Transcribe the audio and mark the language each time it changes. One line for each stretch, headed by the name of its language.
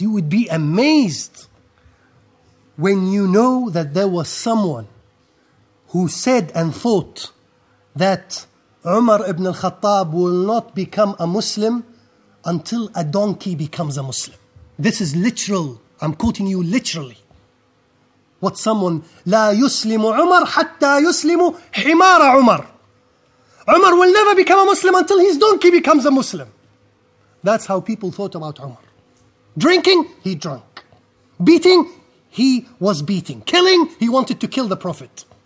English: You would be amazed when you know that there was someone who said and thought that Umar ibn al-Khattab will not become a Muslim until a donkey becomes a Muslim. This is literal. I'm quoting you literally. What someone,
Arabic: لا يسلم عمر حتى يسلم حمار عمر.
English: Umar will never become a Muslim until his donkey becomes a Muslim. That's how people thought about Umar. Drinking, he drank. Beating, he was beating. Killing, he wanted to kill the Prophet.